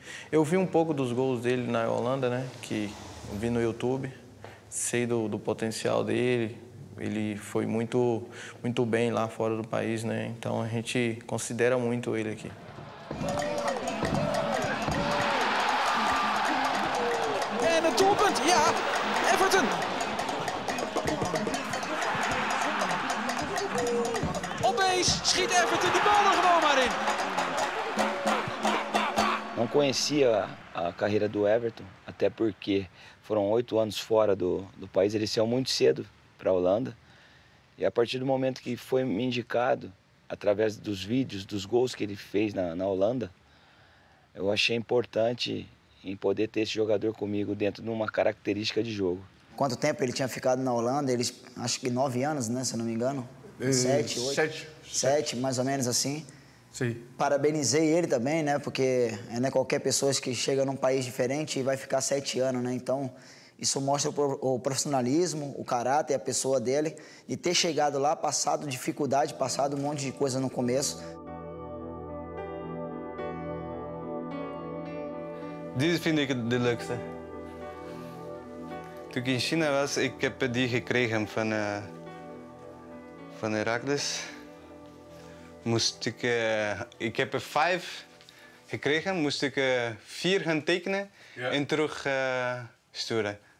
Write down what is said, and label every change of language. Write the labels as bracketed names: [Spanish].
[Portuguese] Eu vi um pouco dos gols dele na Holanda, né? Que vi no YouTube, sei do potencial dele. Ele foi muito, muito bem lá fora do país, né? Então a gente considera muito ele aqui. [Dutch] En het doelpunt, ja, Everton. opeens schiet Everton de bal er gewoon maar in. [Portuguese] Não conhecia a carreira do Everton, até porque foram 8 anos fora do país. Ele saiu muito cedo para a Holanda. E a partir do momento que foi me indicado, através dos vídeos, dos gols que ele fez na Holanda, eu achei importante em poder ter esse jogador comigo dentro de uma característica de jogo. Quanto tempo ele tinha ficado na Holanda? Ele, acho que 9 anos, né, se não me engano? 7, 8? 7, mais ou menos assim. Sim. Parabenizei ele também, né? Porque não é qualquer pessoa que chega num país diferente e vai ficar 7 anos, né? Então, isso mostra o profissionalismo, o caráter, a pessoa dele. E ter chegado lá, passado dificuldade, passado um monte de coisa no começo. [Dutch] Diz vind ik het de leukste. Toen ik in China was, ik heb die gekregen van Heracles. Moest ik, ik heb 5 gekregen, moest ik 4 gaan tekenen en terug sturen.